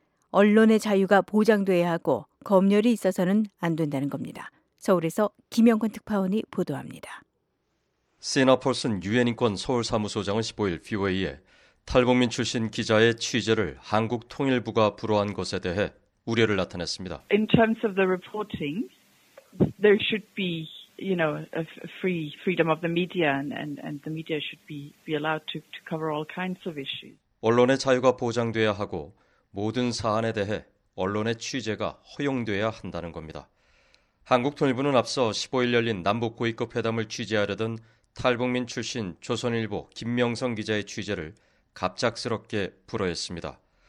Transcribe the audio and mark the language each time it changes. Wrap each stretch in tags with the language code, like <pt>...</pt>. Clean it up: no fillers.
<ko>언론의 자유가 보장돼야 하고 검열이 있어서는 안 된다는 겁니다. 서울에서 김영권 특파원이 보도합니다. 시나폴슨 유엔인권 서울사무소장은 15일 VOA에 탈북민 출신 기자의 취재를 한국통일부가 불허한 것에 대해 우려를 나타냈습니다.</ko> <en>In terms of the reporting, there should be you know a free freedom of the media and the media should be allowed to cover all kinds of issues.</en> <ko>언론의 자유가 보장돼야 하고 모든 사안에 대해 언론의 취재가 허용돼야 한다는 겁니다. 한국통일부는 앞서 15일 열린 남북 고위급 회담을 취재하려던 탈북민 출신 조선일보 김명성 기자의 취재를 갑작스럽게 불허했습니다.</ko>